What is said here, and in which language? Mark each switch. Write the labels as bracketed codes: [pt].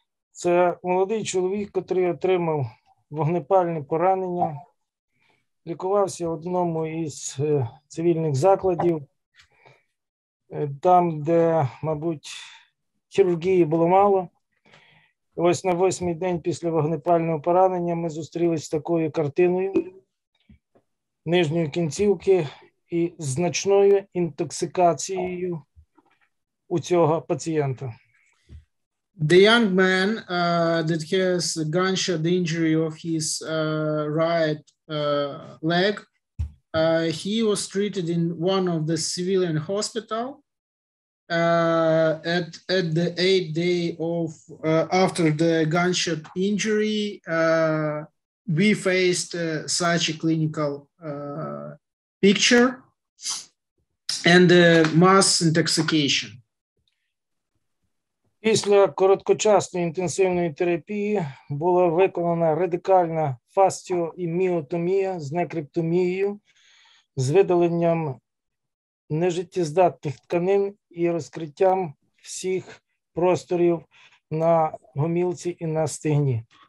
[uk] Це молодий чоловік, який отримав вогнепальне поранення, лікувався в одному із цивільних закладів, там, де, мабуть, хірургії було мало. Ось на восьмий день після вогнепального поранення ми зустрілися з такою картиною нижньої кінцівки і значною інтоксикацією у цього пацієнта. [en] The young man that has gunshot injury of his right leg, he was treated in one of the civilian hospital at the eighth day of after the gunshot injury. We faced such a clinical picture and mass intoxication. [uk] Після короткочасної інтенсивної терапії була виконана радикальна фасціо- і міотомія з некриптомією, з видаленням нежиттєздатних тканин і розкриттям всіх просторів на гомілці і на стегні.